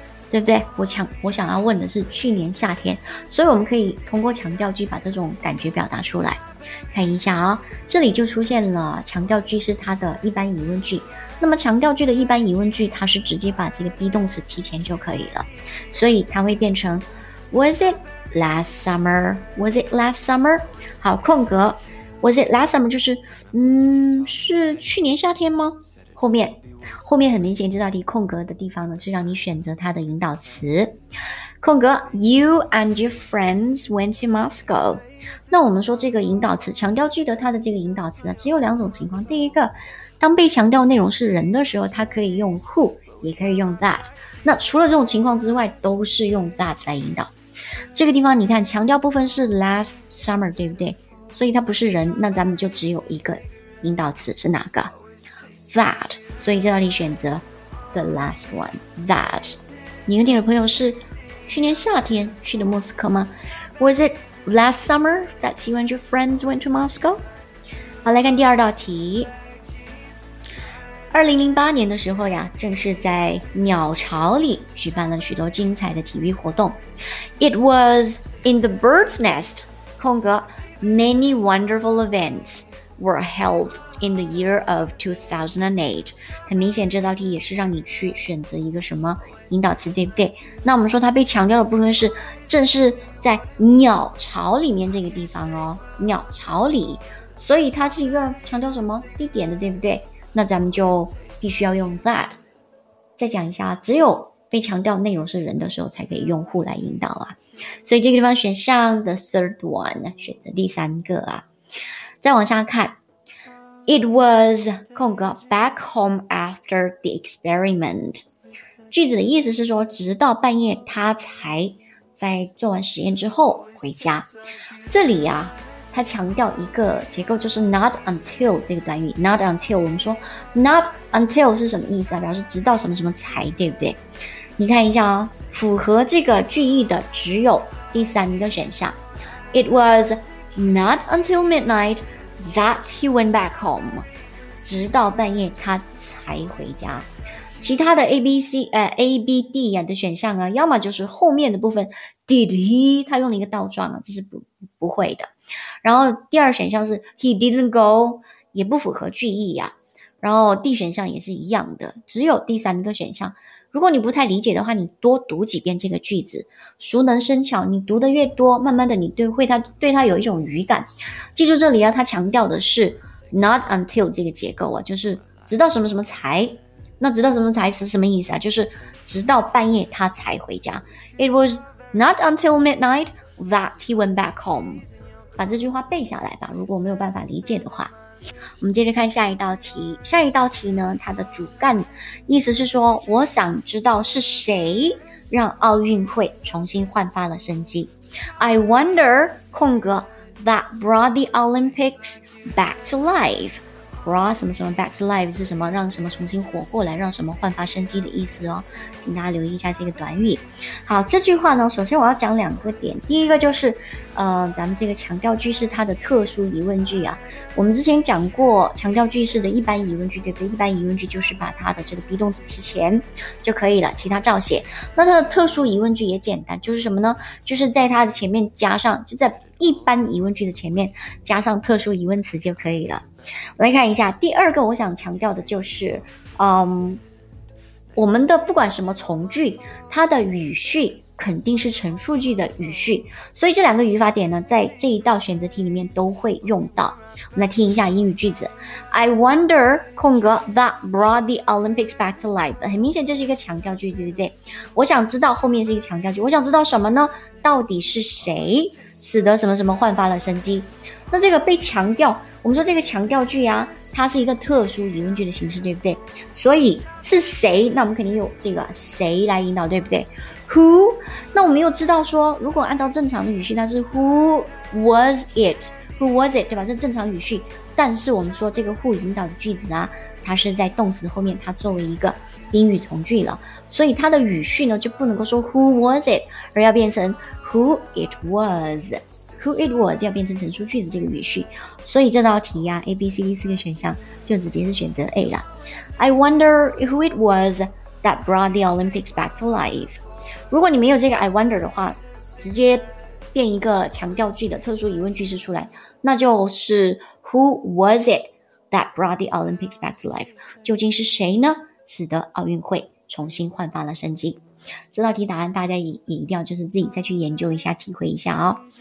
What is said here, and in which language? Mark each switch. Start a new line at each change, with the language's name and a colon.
Chinese: 对不对我想要问的是去年夏天所以我们可以通过强调句把这种感觉表达出来看一下啊、哦，这里就出现了强调句是它的一般疑问句那么强调句的一般疑问句它是直接把这个 be 动词提前就可以了所以它会变成
English: Was it last summer? Was it last summer?
Chinese: 好，空格。
English: Was it last summer?
Chinese: 就是，是去年夏天吗？后面很明显这道题空格的地方呢，是让你选择它的引导词。
English: 空格 ,You and your friends went to Moscow.
Chinese: 那我们说这个引导词，强调句的它的这个引导词呢，只有两种情况。第一个，当被强调内容是人的时候，它可以用 who, 也可以用 that。那除了这种情况之外，都是用 that 来引导。这个地方你看，强调部分是
English: last summer,
Chinese: 对不对？所以它不是人，那咱们就只有一个引导词是哪个？
English: That,
Chinese: 所以这道题选择
English: the last one, that.
Chinese: 你和你的朋友是去年夏天去的莫斯科吗？
English: Was it last summer that you and your friends went to Moscow?
Chinese: 好，来看第二道题。 2008年的时候呀，正是在鸟巢里举办了许多精彩的体育活动。
English: It was in the bird's nest, 空格 many wonderful events. were held in the year of 2008.
Chinese: 很明显这道题也是让你去选择一个什么引导词，对不对？那我们说它被强调的部分是正是在鸟巢里面这个地方哦，鸟巢里，所以它是一个强调什么地点的，对不对？那咱们就必须要用 that。再讲一下，只有被强调内容是人的时候才可以用 who 来引导啊，所以这个地方选项
English: the third one,
Chinese: 选择第三个啊。再往下看
English: ，It was 空格 back home after the experiment。
Chinese: 句子的意思是说，直到半夜他才在做完实验之后回家。这里呀、啊，他强调一个结构，就是 not until 这个短语。 not until 我们说 not until 是什么意思啊？表示直到什么什么才，对不对？你看一下啊、哦，符合这个句意的只有第三个选项。
English: It was。 Not until midnight that he went back home.
Chinese: 直到半夜他才回家。其他的 ABC,ABD 啊的选项啊，要么就是后面的部分 ,
English: did he,
Chinese: 他用了一个倒装啊，这是不会的。然后第二选项是
English: he didn't go,
Chinese: 也不符合句意啊。然后 D 选项也是一样的，只有第三个选项。如果你不太理解的话，你多读几遍这个句子，熟能生巧，你读的越多，慢慢的你对它有一种语感。记住这里啊，它强调的是 not until 这个结构啊，就是直到什么什么才，那直到什么才是什么意思啊，就是直到半夜他才回家。
English: It was not until midnight that he went back home.
Chinese: 把这句话背下来吧，如果没有办法理解的话。我们接着看下一道题。下一道题呢，它的主干意思是说，我想知道是谁让奥运会重新焕发了生机。
English: I wonder, 空格 that brought the Olympics back to life.
Chinese: Brought 什么什么
English: back to life
Chinese: 是什么？让什么重新活过来，让什么焕发生机的意思哦。请大家留意一下这个短语。好，这句话呢，首先我要讲两个点。第一个就是，咱们这个强调句是它的特殊疑问句啊。我们之前讲过强调句式的一般疑问句，对不对？一般疑问句就是把它的这个 be 动词提前就可以了，其他照写。那它的特殊疑问句也简单，就是什么呢？就是在它的前面加上，就在一般疑问句的前面加上特殊疑问词就可以了。来看一下第二个，我想强调的就是，我们的不管什么从句，它的语序肯定是陈述句的语序，所以这两个语法点呢，在这一道选择题里面都会用到。我们来听一下英语句子。 I wonder, 空格 that brought the Olympics back to life. 很明显这是一个强调句，对不对？我想知道后面是一个强调句，我想知道什么呢？到底是谁使得什么什么焕发了生机？那这个被强调，我们说这个强调句啊，它是一个特殊疑问句的形式，对不对？所以是谁，那我们肯定有这个谁来引导，对不对？
English: Who?
Chinese: 那我们又知道说，如果按照正常的语序，那是
English: Who was it? Who was it?
Chinese: 对吧？这正常语序。但是我们说这个 who 引导的句子啊，它是在动词后面，它作为一个宾语从句了。所以它的语序呢，就不能够说
English: Who was it?
Chinese: 而要变成
English: Who it was? Who it was?
Chinese: 要变成陈述句的这个语序。所以这道题啊 ,ABCD 四个选项就直接是选择 A 了。
English: I wonder who it was that brought the Olympics back to life.
Chinese: 如果你没有这个 I wonder 的话，直接变一个强调句的特殊疑问句式出来，那就是
English: Who was it that brought the Olympics back to life?
Chinese: 究竟是谁呢？使得奥运会重新焕发了生机。这道题答案大家 也一定要就是自己再去研究一下，体会一下哦。